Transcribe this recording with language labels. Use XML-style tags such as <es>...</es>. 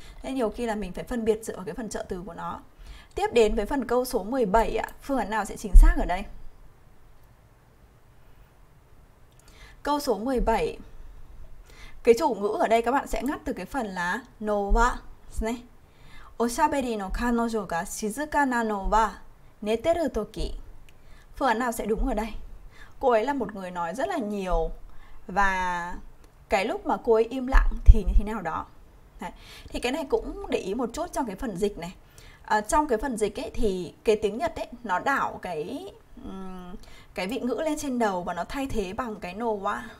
<vi>Nên nhiều khi là mình phải phân biệt giữa cái phần trợ từ của nó. Tiếp đến với phần câu số 17 ạ, phương án nào sẽ chính xác ở đây? Câu số 17. Cái chủ ngữ ở đây các bạn sẽ ngắt từ cái phần là</vi> <ja>no wa ですね. おしゃべりの彼女が静かなのは寝てる時。</ja> <vi>Phương án nào sẽ đúng ở đây? Cô ấy là một người nói rất là nhiều và cái lúc mà cô ấy im lặng thì như thế nào đó. Đấy. Thì cái này cũng để ý một chút trong cái phần dịch này. Trong cái phần dịch ấy thì cái tiếng Nhật ấy nó đảo cái vị ngữ lên trên đầu và nó thay thế bằng cái no wa.</vi>